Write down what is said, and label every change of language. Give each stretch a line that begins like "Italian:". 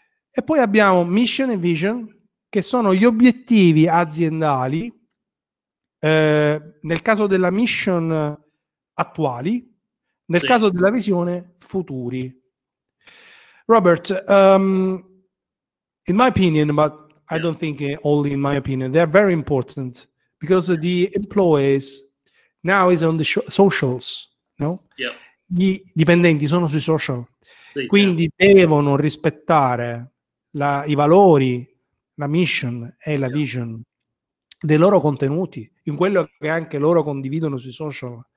Italian: E poi abbiamo mission e vision, che sono gli obiettivi aziendali, nel caso della mission attuali, nel caso della visione futuri.
English: Robert, in my opinion, but I don't think only in my opinion, they are very important, because the employees now is on the socials. No? Yeah.
Italian: I dipendenti sono sui social. quindi devono rispettare i valori, la mission e la vision dei loro contenuti, in quello che anche loro condividono sui social.